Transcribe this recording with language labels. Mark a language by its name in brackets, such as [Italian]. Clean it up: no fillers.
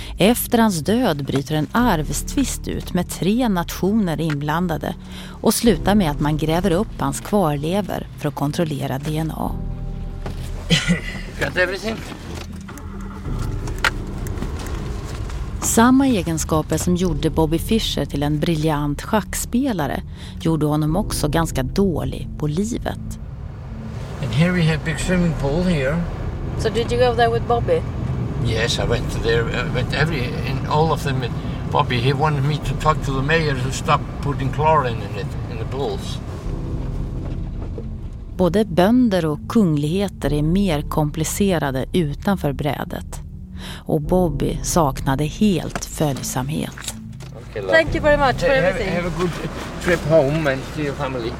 [Swedish] Efter hans död bryter en arvstvist ut med tre nationer inblandade och slutar med att man gräver upp hans kvarlever för att kontrollera DNA. Samma egenskaper som gjorde Bobby Fischer till en briljant schackspelare gjorde honom också ganska dålig på livet. [English] And here we have a big swimming pool here. So did you go there with Bobby? Yes, I went there. I went in all of them. Bobby, he wanted me to talk to the mayor to stop putting chlorine in it, in the pools. [Swedish] Både bönder och kungligheter är mer komplicerade utanför brädet. Och Bobby saknade helt följsamhet. [English] Okay, thank you very much for everything. Have a good trip home and to your family.